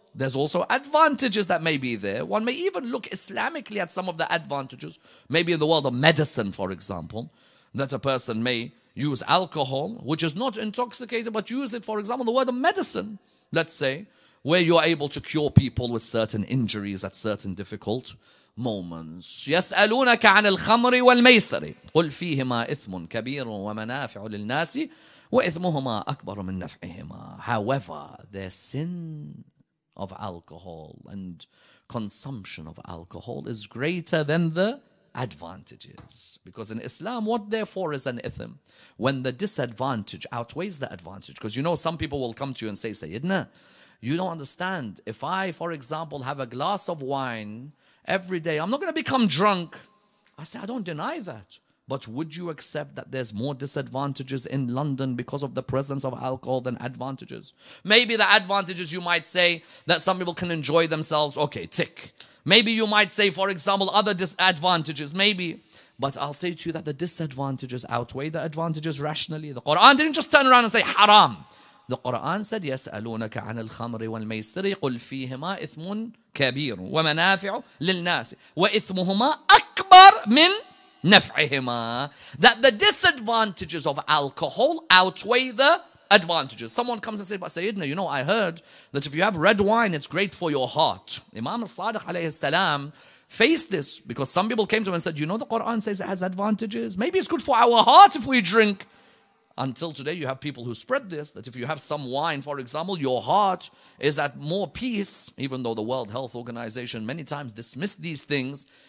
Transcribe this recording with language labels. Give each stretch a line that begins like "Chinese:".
English: There's also advantages that may be there. One may even look Islamically at some of the advantages, maybe in the world of medicine, for example, that a person may use alcohol, which is not intoxicated, but use it, for example, the word of medicine, let's say, where you're able to cure people with certain injuries at certain difficult moments.
Arabic: يسألونك عن الخمر والميسر قل فيهما إثم كبير ومنافع للناس وإثمهما أكبر من نفعهما.
English: However, the sin of alcohol and consumption of alcohol is greater than the advantages. Because in Islam, what therefore is an ithm? When the disadvantage outweighs the advantage. Because you know, some people will come to you and say, Sayyidina, you don't understand. If I, for example, have a glass of wine every day, I'm not going to become drunk. I say, I don't deny that. But would you accept that there's more disadvantages in London because of the presence of alcohol than advantages? Maybe the advantages, you might say, that some people can enjoy themselves. Okay, tick. Maybe you might say, for example, other disadvantages. Maybe. But I'll say to you that the disadvantages outweigh the advantages rationally. The Quran didn't just turn around and say, haram. The Quran said,
Arabic: يسألونك عن الخمر والميسر قل فيهما إثم كبير ومنافع للناس وإثمهما أكبر من نفعهما.
English: That the disadvantages of alcohol outweigh the advantages. Someone comes and says, but Sayyidina, you know, I heard that if you have red wine, it's great for your heart. Imam al-Sadiq alayhi salam faced this because some people came to him and said, you know, the Quran says it has advantages. Maybe it's good for our heart if we drink. Until today, you have people who spread this, that if you have some wine, for example, your heart is at more peace, even though the World Health Organization many times dismissed these things.